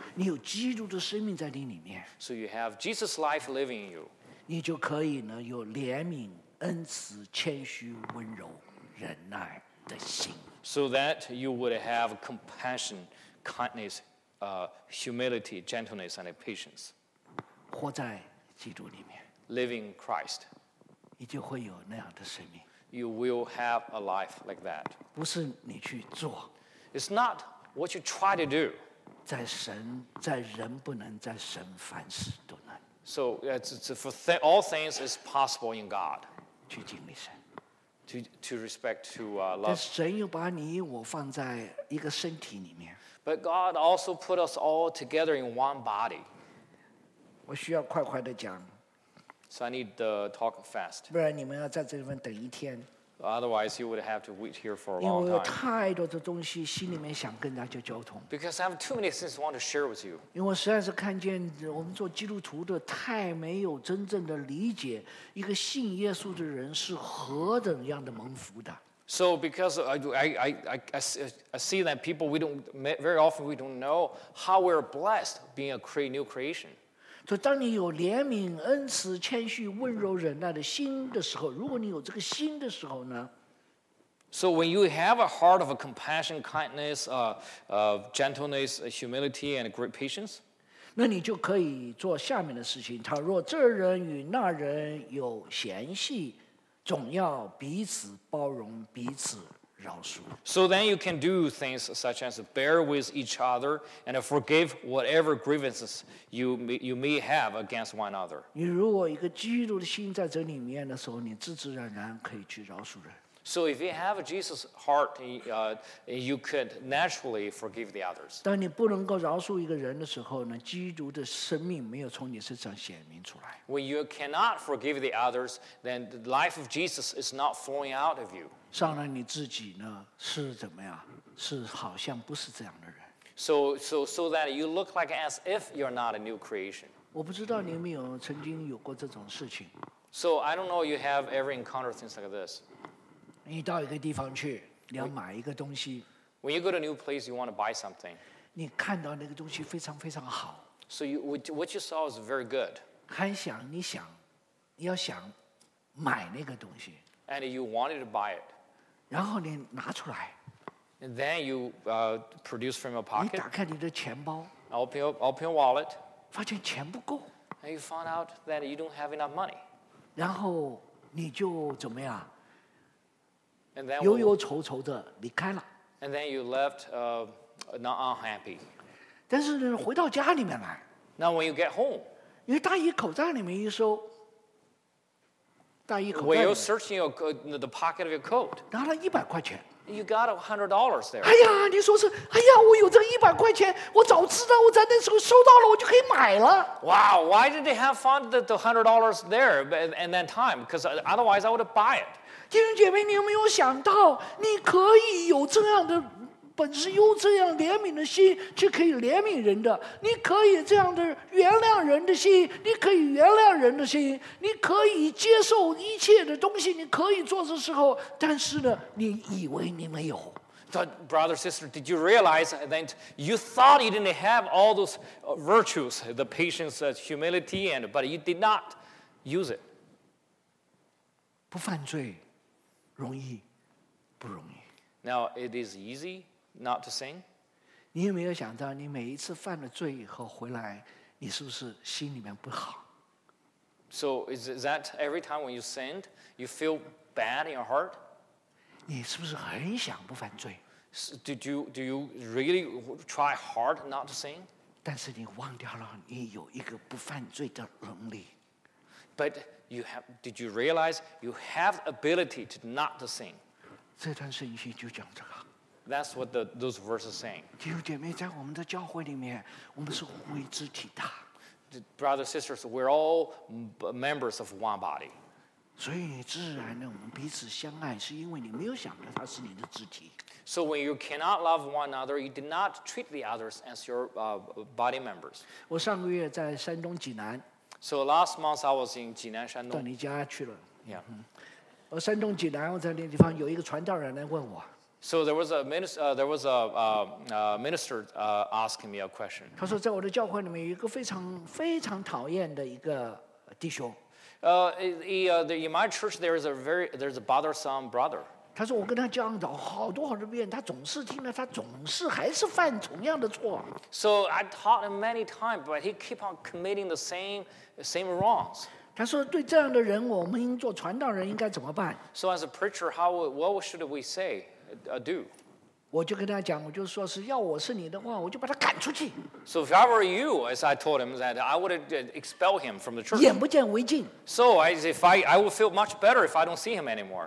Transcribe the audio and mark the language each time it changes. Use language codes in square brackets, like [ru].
[zh] 你有基督的生命在你里面。 [en] So you have Jesus' life living in you. [zh] 你就可以呢，有怜悯、恩慈、谦虚、温柔、忍耐的心。 [en] So that you would have compassion, kindness, humility, gentleness, and patience. [zh] 活在基督里面 [en] Living Christ. [zh] 你就会有那样的生命 [en] You will have a life like that. [zh] 不是你去做 [en] It's not what you try to do. [zh] 在神，在人不能，在神凡事都能 [en] So it's for all things is possible in God. [zh] 去敬礼神 [en] To respect, to love. [zh] 但神又把你我放在一个身体里面 [en] But God also put us all together in one body. [zh] 我需要快快的讲。 [en] So I need to talk fast. [zh] 不然你们要在这里面等一天。 [en] Otherwise, you would have to wait here for a long time. [zh] 因为我有太多的东西，心里面想跟大家交通。 [en] Because I have too many things I want to share with you. [zh] 因为我实在是看见我们做基督徒的太没有真正的理解，一个信耶稣的人是何等样的蒙福的。 [en] So, because I see that people we don't very often we don't know how we're blessed being a new creation. [zh] So, 当你有怜悯、恩慈、谦虚、温柔、忍耐的心的时候，如果你有这个心的时候呢 [en] ？So, when you have a heart of a compassion, kindness, gentleness, humility, and great patience, [zh] 那你就可以做下面的事情。倘若这人与那人有嫌隙。总要彼此包容，彼此饶恕。 [en] So then you can do things such as bear with each other and forgive whatever grievances you may have against one another. [zh] 你如果一个基督的心在这里面的时候，你自自然然可以去饶恕人。 [en] So if you have a Jesus heart, you could naturally forgive the others. [zh] 当你不能够饶恕一个人的时候呢，基督的生命没有从你身上显明出来。 [en] When you cannot forgive the others, then the life of Jesus is not flowing out of you. [zh] 上来你自己呢是怎么样？是好像不是这样的人。 [en] So that you look like as if you're not a new creation. [zh] 我不知道你有没有曾经有过这种事情。 [en] So I don't know you have ever encountered things like this. [zh] 你到一个地方去，你要买一个东西。 [en] When you go to a new place, you want to buy something. [zh] 你看到那个东西非常非常好。 [en] So what you saw is very good. [zh] 还想你想，你要想买那个东西。 [en] And you wanted to buy it. [zh] 然后你拿出来。 [en] And then you produce from your pocket. [zh] 你打开你的钱包。 [en] Open your wallet. [zh] 发现钱不够。 [en] And you found out that you don't have enough money. [zh] 然后你就怎么样？ [en] And then [zh] 忧忧愁愁的离开了。 [en] And then you left not unhappy. [zh] 但是呢，回到家里面来。 [en] Now when you get home, [zh] 因为大衣口袋里面一搜，大衣口袋。 [en] When you're searching the pocket of your coat, [zh] 拿了100块钱。 [en] You got $100 there. [zh] 哎呀，你说是，哎呀，我有这100块钱，我早知道我在那时候收到了，我就可以买了。 [en] Wow, why did they have found the $100 there and then time? Because otherwise, I would buy it. [zh] 弟兄姐妹，你有没有想到，你可以有这样的本事，有这样怜悯的心，去可以怜悯人的，你可以这样的原谅人的心，你可以原谅人的心，你可以接受一切的东西，你可以做的时候，但是呢，你以为你没有。 [en] But brother, sister, did you realize that you thought you didn't have all those virtues, the patience, the humility, but you did not use it? [zh] 不犯罪容易不容易。 [en] Now it is easy. Not to sin. [zh] 你有没有想到，你每一次犯了罪以后回来，你是不是心里面不好 [en] ？So is that every time when you sin, you feel bad in your heart? [zh] 你是不是很想不犯罪 [en] ？Do you really try hard not to sin? [zh] 但是你忘掉了，你有一个不犯罪的能力。 [en] But you have? Did you realize you have ability to not to sin? [zh] 这段圣经就讲这个。 [en] That's what those verses are saying. [zh] 弟兄姐妹，在我们的教会里面，我们是互为肢体的。 [en] Brothers, sisters, we're all members of one body. [zh] 所以你自然的，我们彼此相爱，是因为你没有想到它是你的肢体。 [en] So when you cannot love one another, you did not treat the others as your body members. [zh] 我上个月在山东济南。 [en] So last month I was in 济南山东。 [zh] 到你家去了。 [en] Yeah. [zh] 我山东济南，我在那地方有一个传道人来问我。 [en] So there was a minister. There was a minister asking me a question. [zh] 他说，在我的教会里面有一个非常非常讨厌的一个弟兄。 [en] In my church there's a bothersome brother. [zh] 他说，我跟他讲到好多好多遍，他总是听了，他总是还是犯同样的错。 [en] So I taught him many times, but he keep on committing the same wrongs. [zh] 他说，对这样的人，我们做传道人应该怎么办 [en] ？So as a preacher, what should we say? [zh] 我就跟他讲，我就说是要我是你的话，我就把他赶出去。 [en] So if I were you, as I told him that, I would expel him from the church. [zh] 眼不见为净。 [en] So as if I would feel much better if I don't see him anymore.